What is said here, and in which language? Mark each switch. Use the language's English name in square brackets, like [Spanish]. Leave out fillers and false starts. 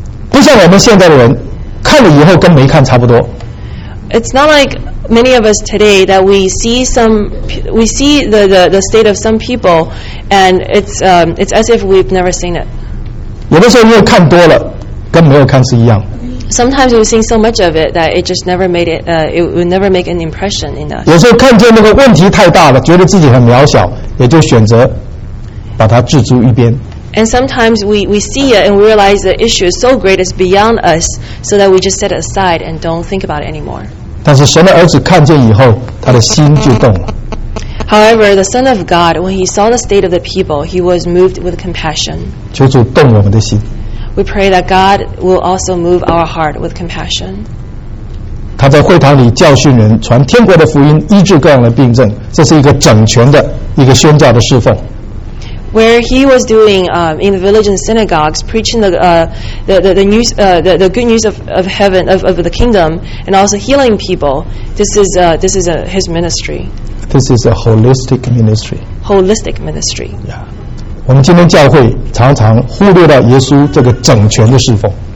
[Chinese] 不像我们现在的人，看了以后跟没看差不多。 [English] It's not like many of us today that we see the state of some people, and it's as if we've never seen it. [Chinese] 有的时候因为看多了，跟没有看是一样。 [English] Sometimes we've seen so much of it that it just never made it, it would never make an impression in us. [Chinese] 有时候看见那个问题太大了，觉得自己很渺小，也就选择把它置诸一边。 [English] And sometimes we see it and we realize the issue is so great it's beyond us, so that we just set it aside and don't think about it anymore. [Chinese] 但是神的儿子看见以后，他的心就动了。 [English] However, the Son of God, when he saw the state of the people, he was moved with compassion. [Chinese] 求主动我们的心。 [English] We pray that God will also move our heart with compassion. [Chinese] 他在会堂里教训人，传天国的福音，医治各样的病症，这是一个整全的一个宣教的侍奉。 [English] Where he was doing in the village and synagogues, preaching the good news of heaven of the kingdom, and also healing people. This is his ministry. This is a holistic ministry. Holistic ministry. Yeah. [Chinese] 我们今天教会常常忽略了耶稣这个整全的侍奉。